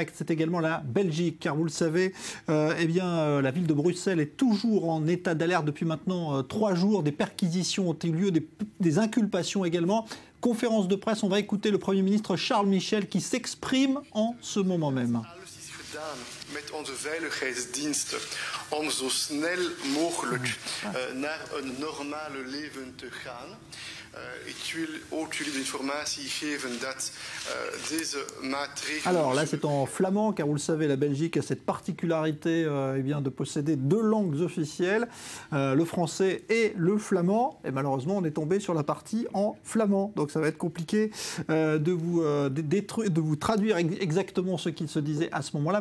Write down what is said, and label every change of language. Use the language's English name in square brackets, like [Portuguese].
[French] C'est également la Belgique, car vous le savez, la ville de Bruxelles est toujours en état d'alerte depuis maintenant 3 jours. Des perquisitions ont eu lieu, des inculpations également. Conférence de presse, on va écouter le Premier ministre Charles Michel qui s'exprime en ce moment même. [Dutch] Met onze veiligheidsdiensten om zo snel mogelijk naar een normaal leven te gaan. Ik wil ook jullie de informatie geven dat deze maatregelen. [French] Alors là, c'est en flamand, car vous le savez, la Belgique a cette particularité de posséder 2 langues officielles, le français et le flamand. Et malheureusement, on est tombé sur la partie en flamand. Donc ça va être compliqué de vous traduire exactement ce qu'il se disait à ce moment-là.